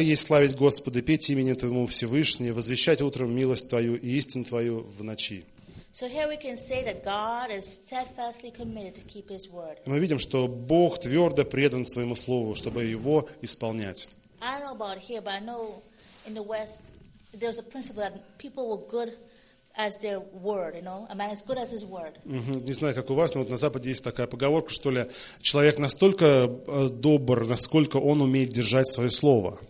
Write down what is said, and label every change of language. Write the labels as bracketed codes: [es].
[ru] есть славить Господа, петь имени Твоему Всевышнему, возвещать утром милость Твою и истину Твою в ночи. [en] So here we can say that God is steadfastly committed to keep His word. [ru] Мы видим, что Бог твердо предан своему слову, чтобы его исполнять. [en] I don't know about here, but I know in the West there's a principle that people were good as their word, you know, a man is good as his word. [ru] Не знаю, как у вас, но вот на Западе есть такая поговорка, что ли, человек настолько добр, насколько он умеет держать свое слово.